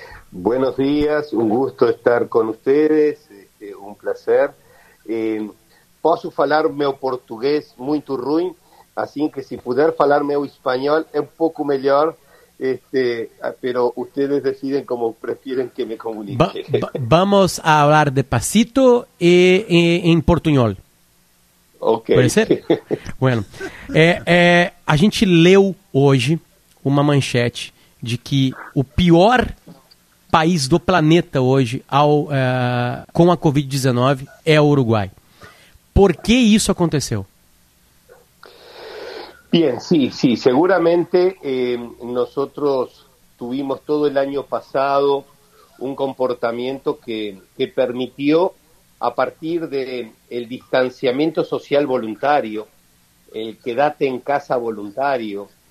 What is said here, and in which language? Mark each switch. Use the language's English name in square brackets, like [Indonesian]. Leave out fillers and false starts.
[Spanish] Buenos días, un gusto estar con ustedes, un placer. [Portuguese] Posso falar meu português muito ruim, assim que se puder falar meu espanhol é um pouco melhor, [Spanish] pero ustedes deciden como prefieren que me comunique. Vamos a hablar de pasito en portuñol. Ok. [Portuguese] Pode ser? [Spanish] Bueno, [Portuguese] a gente leu hoje uma manchete de que o pior país do planeta hoje com a Covid-19 é o Uruguai. Por que isso aconteceu? [Spanish] Bien, sí, seguramente nosotros tuvimos todo el año pasado un comportamiento que permitió, a partir del distanciamiento social voluntario, el quédate en casa voluntario,